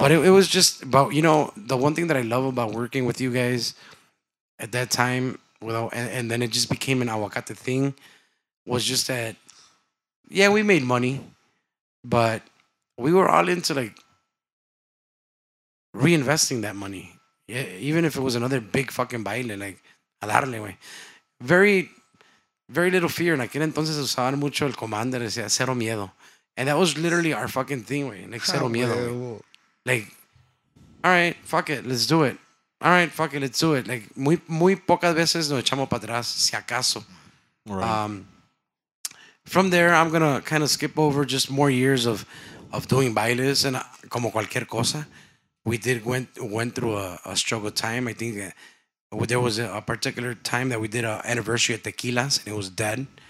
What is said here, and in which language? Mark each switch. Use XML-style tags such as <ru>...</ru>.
<en>But it was just about, you know, the one thing that I love about working with you guys at that time... And then it just became an aguacate thing, was just that, yeah, we made money, but we were all into, like, reinvesting that money. Yeah, even if it was another big fucking baile, like,</en> <es>a darle, güey.</es> <en>Very, very little fear.</en> <es>En aquel entonces usaban mucho el comando, decía, cero miedo.</es> <en>And that was literally our fucking thing, güey. Like,</en> <es>cero miedo.</es> <en>Like, all right, fuck it, let's do it. All right, fuck it, let's do it.</en> <es>Like, muy, muy pocas veces nos echamos para atrás, si acaso.</es> <en>Right. From there, I'm going to kind of skip over just more years of doing bailes. And</en> <es>como cualquier cosa,</es> <en>we did went through a struggle time. I think there was a particular time that we did an anniversary at Tequila's, and it was dead.</en>